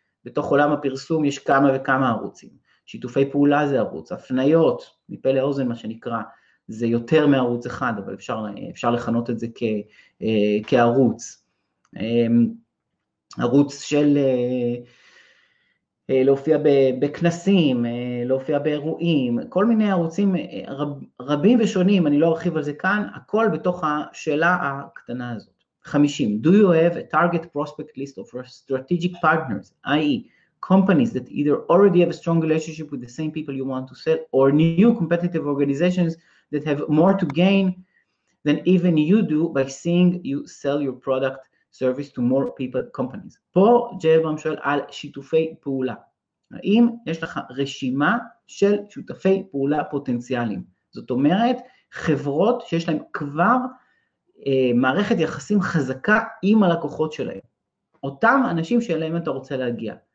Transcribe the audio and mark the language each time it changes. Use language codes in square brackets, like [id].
[he] בתוך עולם הפרסום יש כמה וכמה ערוצים. שיתופי פעולה זה ערוץ, הפניות, מפה לאוזן מה שנקרא, זה יותר מערוץ אחד, אבל אפשר לחנות את זה כערוץ. ערוץ של להופיע בכנסים, להופיע באירועים, כל מיני ערוצים רבים ושונים, אני לא ארחיב על זה כאן, הכל בתוך השאלה הקטנה הזאת. 50. [en] Do you have a target prospect list of strategic partners, i.e. companies that either already have a strong relationship with the same people you want to sell, or new competitive organizations that have more to gain than even you do by seeing you sell your product service to more people companies. [he] פה ג'אברהם שואל על שיתופי פעולה. האם יש לך רשימה של שותפי פעולה פוטנציאליים? זאת אומרת, חברות שיש להם כבר מערכת יחסים חזקה עם הלקוחות שלהם. אותם אנשים שאליהם אתה רוצה להגיע.